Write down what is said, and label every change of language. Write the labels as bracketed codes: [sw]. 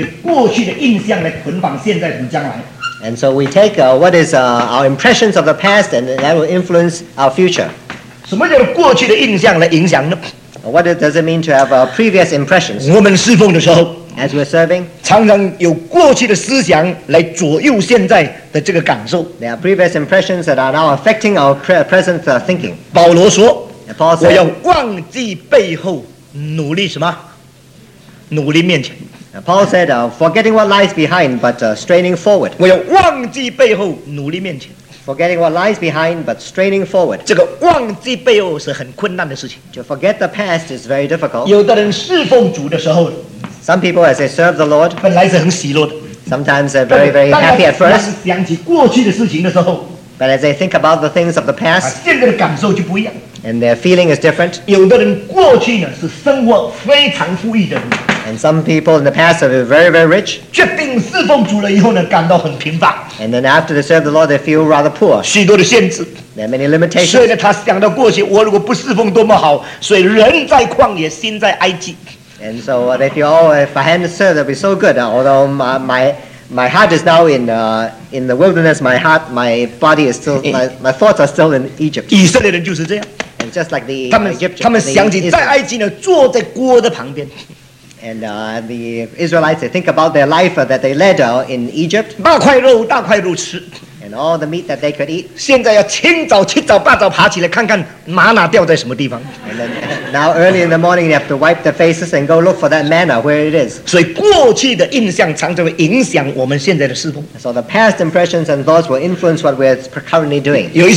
[zh] 我们侍奉主以后呢,慢慢就以过去的印象来捆绑现在和将来。 [en] And so we take what is our impressions of the past, and that will influence our future. [zh] 什么叫过去的印象来影响呢? [en] What does it mean to have previous impressions? [zh] 我们侍奉的时候, [en] as we're serving, [zh] 常常有过去的思想来左右现在的这个感受。 [en] There are previous impressions that are now affecting our present thinking. [zh] 保罗说, [en] Paul said, [zh] 我要忘记背后努力什么？努力面前。 [en] Paul said, forgetting what lies behind, but straining forward. [zh] 我要忘记背后努力面前。 [en] Forgetting what lies behind, but straining forward. [zh] 这个忘记背后是很困难的事情。 [en] To forget the past is very difficult. [zh] 有的人侍奉主的时候, [en] some people, as they serve the Lord, [zh] 本来是很喜乐的, [en] sometimes they're very, very happy at first. [zh] 当想起过去的事情的时候, [en] but as they think about the things of the past, [zh] 现在的感受就不一样, [en] and their feeling is different. [zh] 有的人过去呢,是生活非常富裕的人, [en] and some people in the past have been very, very rich. [zh] 决定侍奉主了以后呢,感到很贫乏, [en] and then after they serve the Lord, they feel rather poor. [zh] 许多的限制, [en] there are many limitations. [zh] 所以呢,他想到过去,我如果不侍奉多么好, 所以人在旷野,心在埃及。 [en] And so they feel, oh, if I hadn't served, that'd be so good. Although my heart is now in the wilderness, my heart, my body is still, my thoughts are still in Egypt. [zh] 以色列人就是这样, [en] and just like the [zh] Egyptians, 他们想起在埃及呢,坐在锅的旁边。 [en] And the Israelites, they think about their life that they led in Egypt. [zh] 大块肉吃。 [en] And all the meat that they could eat. [zh] 现在要清早七早八早爬起来看看玛拿掉在什么地方。 [en] And then, now early in the morning, you have to wipe their faces and go look for that manna where it is. [zh] 所以过去的印象常常会影响我们现在的侍奉。 [en] So the past impressions and thoughts will influence what we're currently doing.